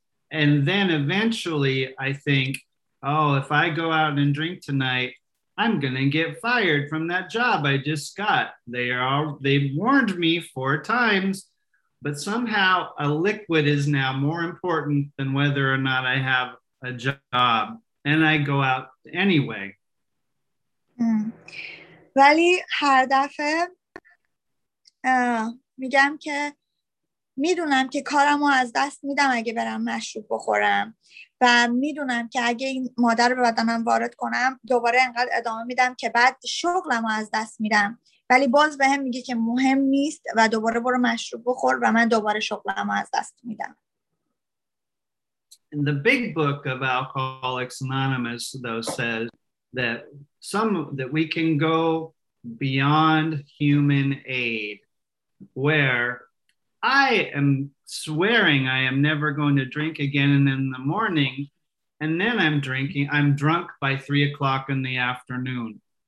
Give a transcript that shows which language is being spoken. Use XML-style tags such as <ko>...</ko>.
<en>And then eventually I think, oh, if I go out and drink tonight, I'm going to get fired from that job I just got. They warned me 4 times. But somehow a liquid is now more important than whether or not I have a job and I go out anyway.</en> <fa>ولی هر دفعه میگم که میدونم که کارمو از دست میدم اگه برم مشروب بخورم و میدونم که اگه این ماده رو به بدنم وارد کنم دوباره انقدر ادامه میدم که بعد شغلمو از دست میدم، ولی باز به هم میگه که مهم نیست و دوباره برو مشروب بخور و من دوباره شغلم رو از دست میدم.</fa> <en>In the big book of Alcoholics Anonymous though says that we can go beyond human aid where I am swearing I am never going to drink again in the morning and then I'm drunk by 3 o'clock in the afternoon.</en>